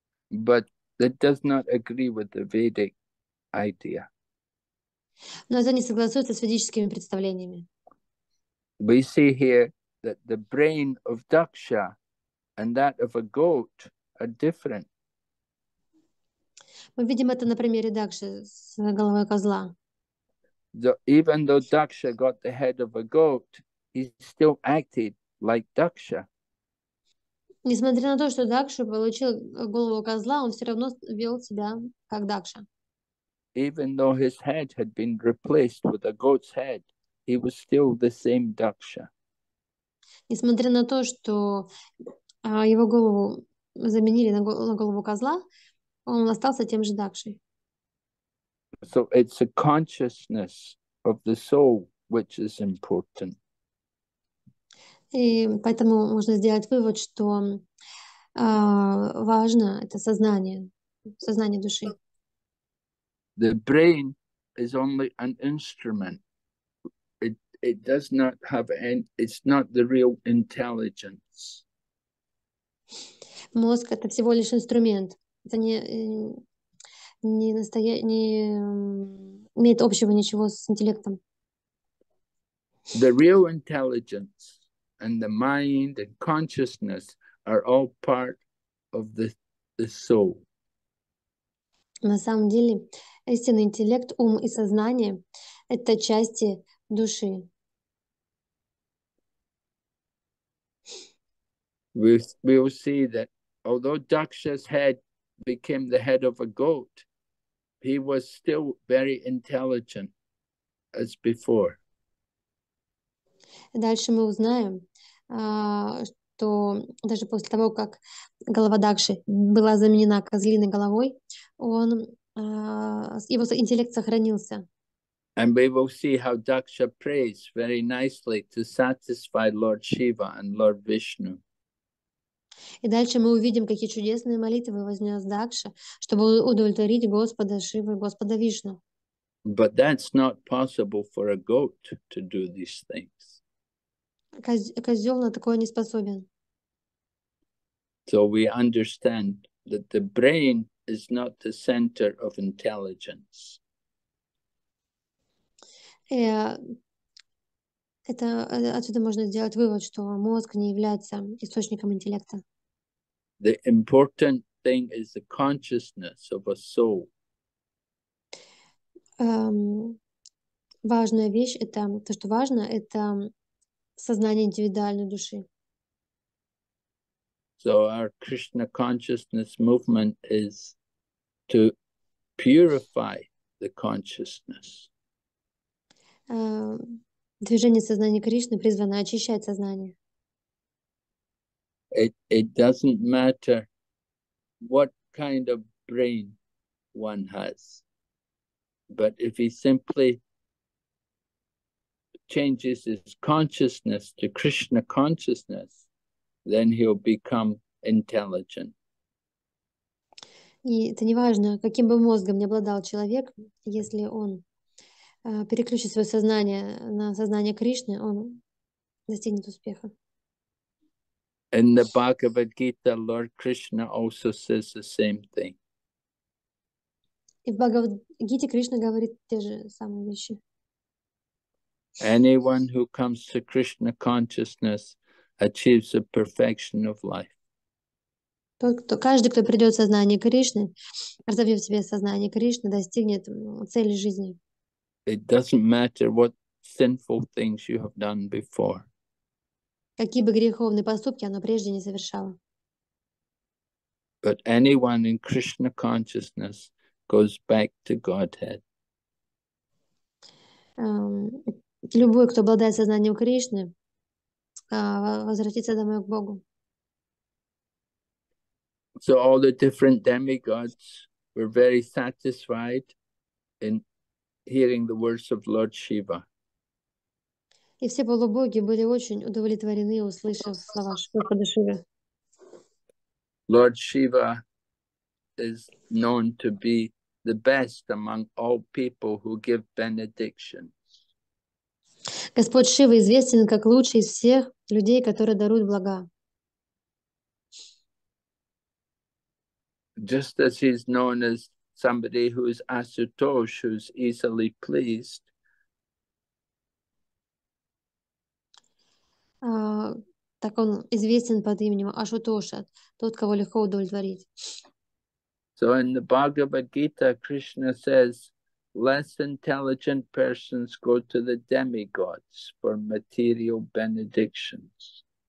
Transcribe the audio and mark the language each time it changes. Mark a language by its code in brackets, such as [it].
[en] But that does not agree with the Vedic idea. [ru] Но это не согласуется с ведическими представлениями. [en] We see here that the brain of Daksha and that of a goat are different. [ru] Мы видим это на примере Дакши с головой козла. [en] Even though Daksha got the head of a goat, he still acted like Daksha. [ru] Несмотря на то, что Дакша получил голову козла, он все равно вел себя как Дакша. [en] Even though his head had been replaced with a goat's head, he was still the same Daksha. [ru] Несмотря на то, что его голову заменили на голову козла, он остался тем же Дакшей. [en] So it's a consciousness of the soul which is important. [ru] И поэтому можно сделать вывод, что важно это сознание души. [en] The brain is only an instrument. It does not have any, it's not the real intelligence. [ru] Мозг — это всего лишь инструмент. Это не имеет общего ничего с интеллектом. [en] The real intelligence and the mind and consciousness are all part of the soul. [ru] На самом деле, истинный интеллект, ум и сознание — это части души. [en] We will see that although Daksha's head became the head of a goat, he was still very intelligent as before. [ru] Дальше мы узнаем, что даже после того, как голова Дакши была заменена козлиной головой, он, его интеллект сохранился. [en] And we will see how Daksha prays very nicely to satisfy Lord Shiva and Lord Vishnu. [ru] И дальше мы увидим, какие чудесные молитвы вознес Дакша, чтобы удовлетворить Господа Шивы, Господа Вишну. [en] But that's not possible for a goat to do these things. [ru] Козел на такое не способен. [en] So we understand that the brain is not the center of intelligence. [ru] Это отсюда можно сделать вывод, что мозг не является источником интеллекта. [en] The important thing is the consciousness of a soul. [ru] Важная вещь — это то, что важно, это сознание индивидуальной души. [en] So our Krishna consciousness movement is to purify the consciousness. [ru] Движение сознания Кришны призвано очищать сознание. [en] It doesn't matter what kind of brain one has, but if he simply changes his consciousness to Krishna consciousness, then he'll become intelligent. [ru] И это не важно, каким бы мозгом ни обладал человек, если он переключит свое сознание на сознание Кришны, он достигнет успеха. [en] In the Bhagavad Gita, Lord Krishna also says the same thing. [ru] И в Бхагавад Гите Кришна говорит те же самые вещи. [en] Anyone who comes to Krishna consciousness achieves the perfection of life. [ru] Каждый, кто придет в сознание Кришны, разовьет в себе сознание Кришны, достигнет цели жизни. [en] It doesn't matter what sinful things you have done before. [ru] Какие бы греховные поступки оно прежде не совершало. [en] But anyone in Krishna consciousness goes back to Godhead. [ru] Любой, кто обладает сознанием Кришны, возвратится домой к Богу. [en] So all the different demigods were very satisfied in hearing the words of Lord Shiva. [ru] И все полубоги были очень удовлетворены, услышав слова Господа Шивы. [en] Lord Shiva is known to be the best among all people who give benedictions. [ru] Господь Шива известен как лучший из всех людей, которые даруют блага. [en] Just as he's known as somebody who is Asutosh, who's easily pleased. [ru] Так он известен под именем Ашутоша, тот, кого легко удовлетворить. [en] So in the Bhagavad Gita, Krishna says, less intelligent persons go to the demigods for material benedictions.